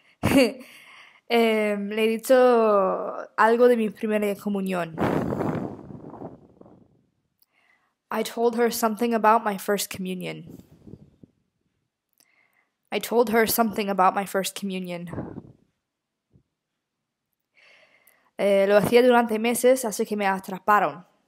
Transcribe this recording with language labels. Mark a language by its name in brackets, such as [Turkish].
[Spanish] le he dicho algo de mi primera comunión. [English] I told her something about my first communion. I told her something about my first communion. [Spanish] Lo hacía durante meses hasta que me atraparon.